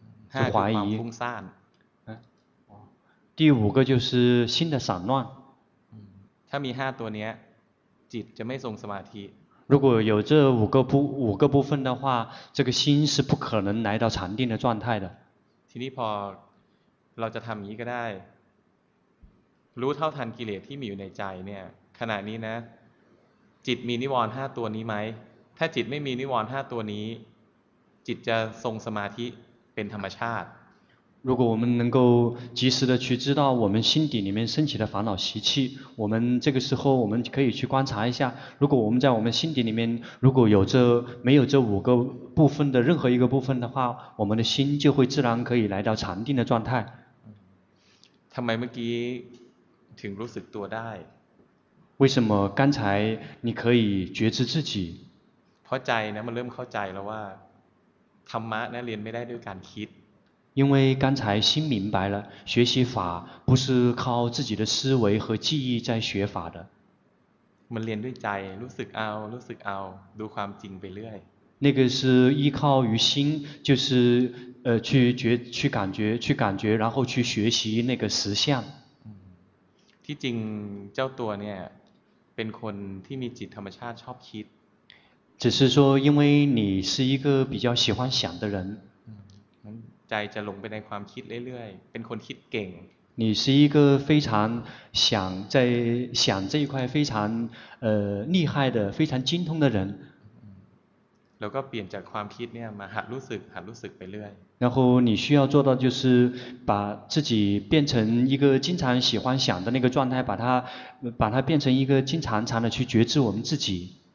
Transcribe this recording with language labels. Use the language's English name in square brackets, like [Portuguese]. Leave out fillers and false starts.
[Thai] 5คือความฟุ้งซ่าน [Chinese] 第五个就是心的散乱 [Thai] ถ้ามี5ตัวนี้จิตจะไม่ทรงสมาธิ [Chinese] 如果有这五个部分的话这个心是不可能来到禅定的状态的 [Thai] ทีนี้พอเราจะทำอย่างนี้ก็ได้รู้เท่าทันกิเลสที่มีอยู่ในใจเนี่ยขณะนี้นะจิตมีนิวรณ์5ตัวนี้ไหมถ้าจิตไม่มีนิวรณ์5ตัวนี้จิตจะทรงสมาธิเป็นธรรมชาติ [Chinese] 如果我们能够及时的去知道我们心底里面升起的烦恼习气，我们这个时候我们可以去观察一下，如果我们在我们心底里面如果有这没有这五个部分的任何一个部分的话，我们的心就会自然可以来到禅定的状态。 [Thai] ทำไมเมื่อกี้ถึงรู้สึกตัวได้ [Chinese] 为什么刚才你可以觉知自己 [Thai] เพราะใจนะมันเริ่มเข้าใจแล้วว่าธรรมะนะเรียนไม่ได้ด้วยการคิด [Chinese] 因为刚才心明白了学习法不是靠自己的思维和记忆在学法的 [Thai] มันเรียนด้วยใจรู้สึกเอารู้สึกเอาดูความจริงไปเรื่อย [Chinese] 那个是依靠于心就是去觉去感觉去感觉然后去学习那个实相 [Thai] ที่จริงเจ้าตัวเนี่ยเป็นคนที่มีจิตธรรมชาติชอบคิด [Chinese] 只是说因为你是一个比较喜欢想的人 [Thai] ใจจะหลงไปในความคิดเรื่อยๆเป็นคนคิดเก่ง [Chinese] 你是一个非常想在想这一块非常厉害的非常精通的人 [Thai] แล้วก็เปลี่ยนจากความคิดเนี่ยมาหัดรู้สึกหัดรู้สึกไปเรื่อย [Chinese] 然后你需要做到就是把自己变成一个经常喜欢想的那个状态把它变成一个经常常的去觉知我们自己